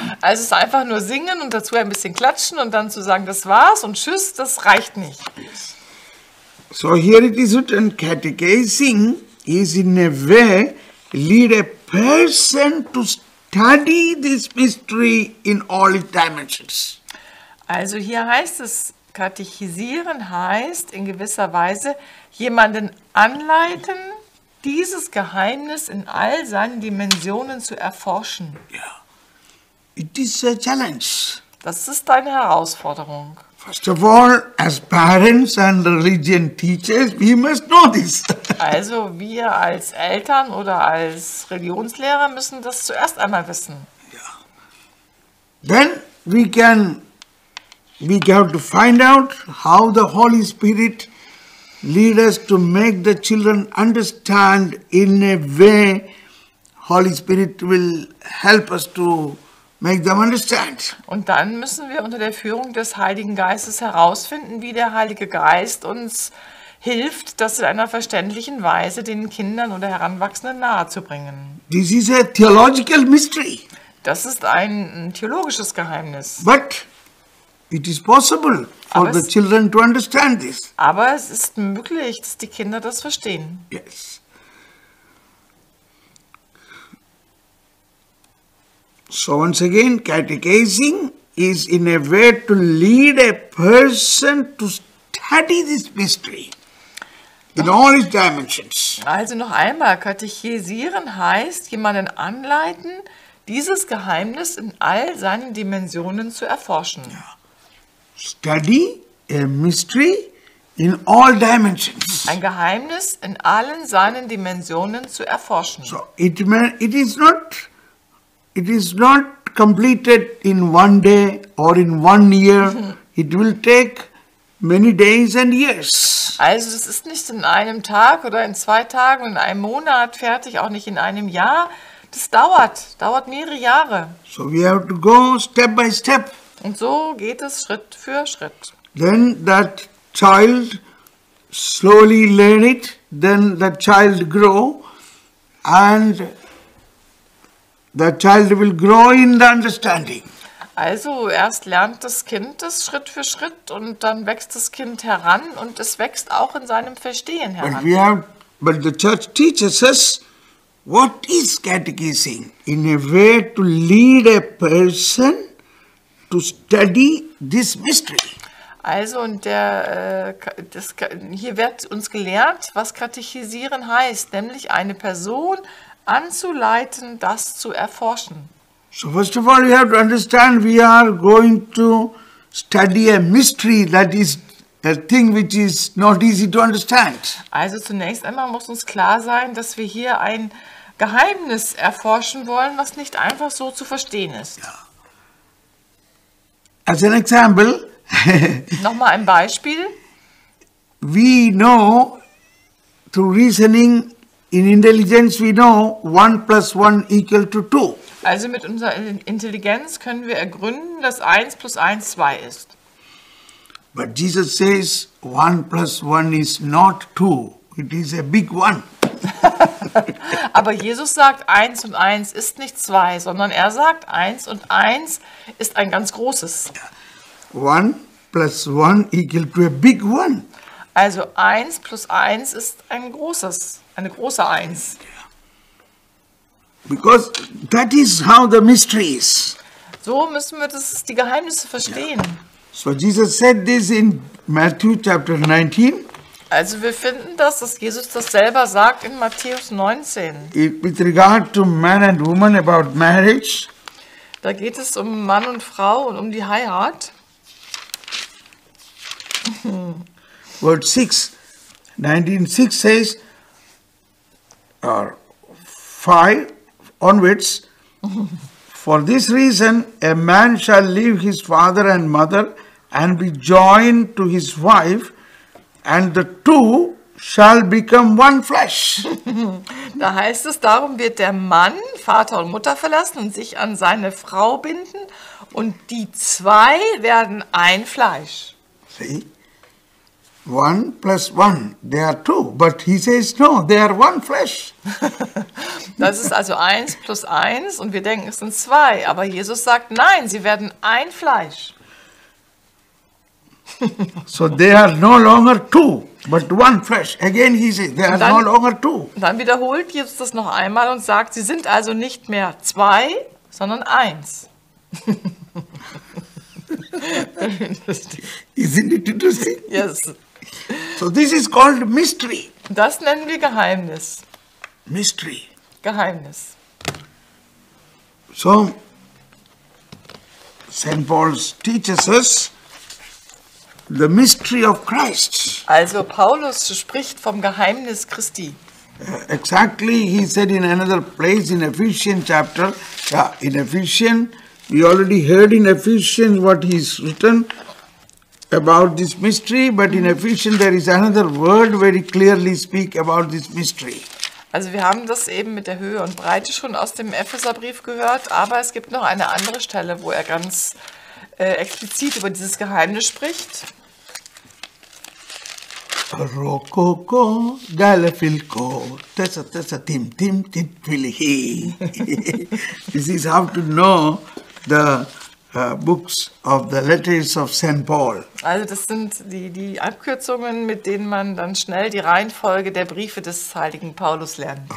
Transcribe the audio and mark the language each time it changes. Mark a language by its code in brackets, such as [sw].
[de] Also es ist einfach nur singen und dazu ein bisschen klatschen und dann zu sagen, das war's und tschüss, das reicht nicht. [en] So here it is written, catechizing is in a way lead a person to study this mystery in all its dimensions. [de] Also hier heißt es, katechisieren heißt in gewisser Weise jemanden anleiten, dieses Geheimnis in all seinen Dimensionen zu erforschen. [en] Yeah. It is a challenge. [de] Das ist eine Herausforderung. [en] First of all, as parents and religion teachers, we must know this. [de] Also wir als Eltern oder als Religionslehrer müssen das zuerst einmal wissen. Yeah. [en] Then we have to find out how the Holy Spirit lead us to make the children understand in a way Holy Spirit will help us to make them understand. [de] Und dann müssen wir unter der Führung des Heiligen Geistes herausfinden, wie der Heilige Geist uns hilft, das in einer verständlichen Weise den Kindern oder Heranwachsenden nahezubringen. [en] This is a theological mystery. [de] Das ist ein theologisches Geheimnis. [en] But it is possible for the children to understand this. [de] Aber es ist möglich, dass die Kinder das verstehen. Yes. [en] So once again, catechizing is in a way to lead a person to study this mystery in all its dimensions. [de] Also noch einmal, katechisieren heißt, jemanden anleiten, dieses Geheimnis in all seinen Dimensionen zu erforschen. [en] Ja. Study a mystery in all dimensions. [de] Ein Geheimnis in allen seinen Dimensionen zu erforschen. [en] So it is not completed in one day or in one year. It will take many days and years. [de] Also es ist nicht in einem Tag oder in zwei Tagen, in einem Monat fertig, auch nicht in einem Jahr. Das dauert mehrere Jahre. [en] So we have to go step by step. [de] Und so geht es Schritt für Schritt. [en] Then that child slowly learn it, then the child grow and the child will grow in the understanding. [de] Also erst lernt das Kind das Schritt für Schritt und dann wächst das Kind heran und es wächst auch in seinem Verstehen heran. [en] But the church teaches us what is catechizing in a way to lead a person to study this mystery. [de] Also und hier wird uns gelehrt, was katechisieren heißt, nämlich eine Person anzuleiten, das zu erforschen. [en] So first of all, we have to understand, we are going to study a mystery that is a thing which is not easy to understand. [de] Also zunächst einmal muss uns klar sein, dass wir hier ein Geheimnis erforschen wollen, was nicht einfach so zu verstehen ist. Ja. [en] As an example, [de] nochmal ein Beispiel. [en] We know through reasoning in intelligence, we know 1 + 1 = 2. [de] Also mit unserer Intelligenz können wir ergründen, dass 1 + 1 = 2 ist. [en] But Jesus says 1 + 1 = not 2. It is a big one. [de] Aber Jesus sagt, 1 + 1 = nicht 2, sondern er sagt, 1 + 1 ist ein ganz großes. [en] 1 + 1 = a big one. [de] Also 1 + 1 ist ein großes, eine große 1. [en] Because that is how the mystery is. [de] So müssen wir das, die Geheimnisse verstehen. Yeah. [en] So Jesus said this in Matthew chapter 19. [de] Also wir finden das, dass Jesus das selber sagt in Matthäus 19. [en] With regard to man and woman about marriage. [de] Da geht es um Mann und Frau und um die Heirat. [en] Verse 6, 19:6 says, or 5 onwards, for this reason a man shall leave his father and mother and be joined to his wife, and the two shall become one flesh. [de] Da heißt es, darum wird der Mann Vater und Mutter verlassen und sich an seine Frau binden, und die zwei werden ein Fleisch. [en] See? One plus one, they are two. But he says, no, they are one flesh. [de] Das ist also eins plus eins, und wir denken, es sind zwei. Aber Jesus sagt, nein, sie werden ein Fleisch. [en] So they are no longer two, but one flesh. Again he says, they are no longer two. [de] Dann wiederholt Jesus das noch einmal und sagt, sie sind also nicht mehr zwei, sondern eins. [en] Isn't it interesting? Yes. So this is called mystery. [de] Das nennen wir Geheimnis. [en] Mystery. [de] Geheimnis. [en] So St. Paul teaches us the mystery of Christ. [de] Also Paulus spricht vom Geheimnis Christi. [en] Exactly, he said in another place in Ephesians chapter. Yeah, in Ephesians, we already heard in Ephesians what he's written about this mystery, but in Ephesians there is another word very clearly speak about this mystery. [de] Also wir haben das eben mit der Höhe und Breite schon aus dem Epheserbrief gehört, aber es gibt noch eine andere Stelle, wo er ganz explizit über dieses Geheimnis spricht. Rococo galefilco tessa tessa tim tim tim twilihi. [en] This is how to know the books of the letters of St. Paul. [de] Also das sind die Abkürzungen, mit denen man dann schnell die Reihenfolge der Briefe des heiligen Paulus lernt.